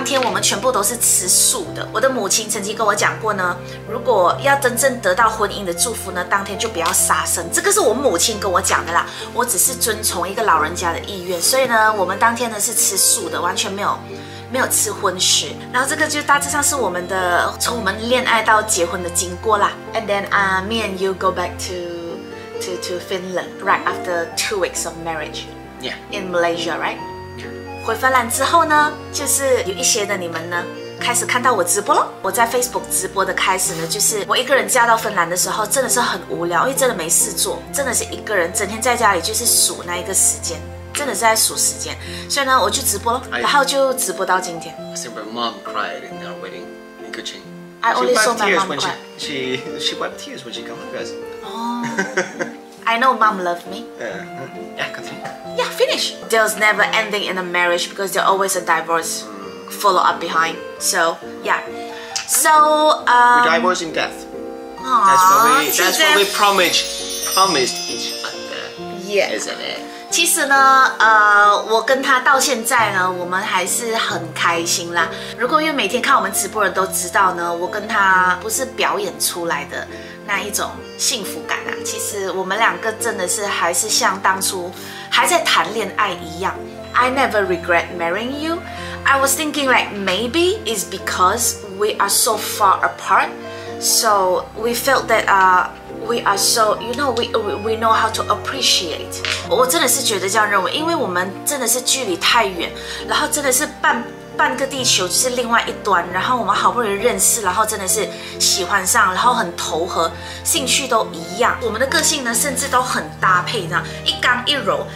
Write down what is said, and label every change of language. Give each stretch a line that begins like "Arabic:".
Chinese: 当天我们全部都是吃素的。我的母亲曾经跟我讲过呢，如果要真正得到婚姻的祝福呢，当天就不要杀生。这个是我母亲跟我讲的啦，我只是遵从一个老人家的意愿。所以呢，我们当天呢是吃素的，完全没有吃荤食。然后这个就大致上是我们的从我们恋爱到结婚的经过啦。
English: And then me and you go back to Finland right after 2 weeks of marriage. Yeah. In Malaysia, right? Yeah.
Chinese: 回芬兰之后呢，就是有一些的你们呢开始看到我直播了。我在 Facebook 直播的开始呢，就是我一个人嫁到芬兰的时候真的是很无聊，因为真的没事做，真的是一个人整天在家里就是数那一个时间，真的是在数时间。所以呢，我就直播了，然后就直播到今天。
English: I think my mom cried in our wedding in Kuching. I only saw my mom cry. She wiped tears when she came home, guys. I know mom loves me. Yeah, continue. Yeah, finish. There's never ending in a marriage because there's always a divorce follow up behind. So, yeah. So, we divorce in death. That's what we promised each other. Yeah. Isn't it?
Chinese: 其实呢，我跟他到现在呢，我们还是很开心啦。如果因为每天看我们直播人都知道呢，我跟他不是表演出来的那一种幸福感啊。其实我们两个真的是还是像当初还在谈恋爱一样。
English: I never regret marrying you. I was thinking like maybe it's because we are so far apart, so we felt that We are so, you know, we know how to appreciate.
Chinese: 我真的是觉得这样认为，因为我们真的是距离太远，然后真的是半个地球就是另外一端，然后我们好不容易认识，然后真的是喜欢上，然后很投合，兴趣都一样，我们的个性呢甚至都很搭配，这样一刚一柔。